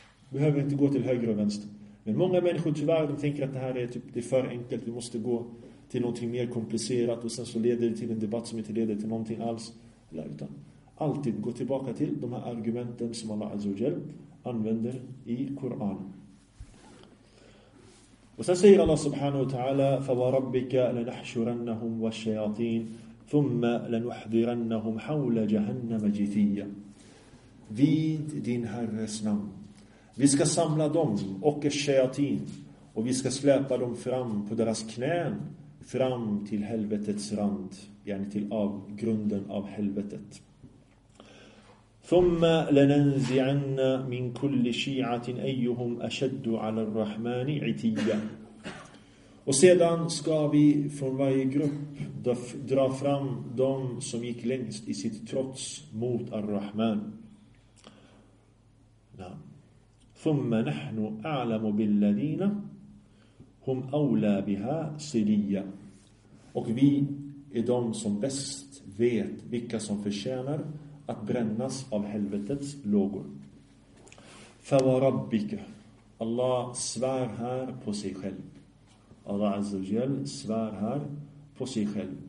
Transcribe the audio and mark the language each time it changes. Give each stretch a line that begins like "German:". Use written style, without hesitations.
Swedish: Behöver inte gå till höger och vänster. Men många människor tyvärr, de tänker att det här är, typ, det är för enkelt. Vi måste gå till någonting mer komplicerat. Och sen så leder det till en debatt som inte leder till någonting alls. Utan alltid gå tillbaka till de här argumenten som Allah Azza wa Jalla använder i Koranen.
Arabic: Och sen säger Allah subhanahu wa ta'ala, فَوَرَبِّكَ لَنَحْشُرَنَّهُمْ وَالشَّيَاطِينَ ثُمَّ لَنُحْضِرَنَّهُمْ حَوْلَ جَهَنَّمَ جِثِيًّا.
Swedish: Vid din herres namn, vi ska samla dem och shayatin, och vi ska släpa dem fram på deras knän fram till helvetets rand, yani till avgrunden av helvetet.
Arabic: ثم لننزعن من كل شيعة أيهم أشد على الرحمن عتيا.
Swedish: Och sedan ska vi från varje grupp dra fram de som gick längst i sitt trots mot ar-Rahman.
Arabic: ثم نحن أعلم بالذين هم أولى بها صليا.
Swedish: Och vi är de som bäst vet vilka som förtjänar att brännas av helvetets lågor.
Arabic: فَوَرَبِّكَ.
Swedish: Allah svär här på sig själv. Allah Azza wa Jalla svär här på sig själv.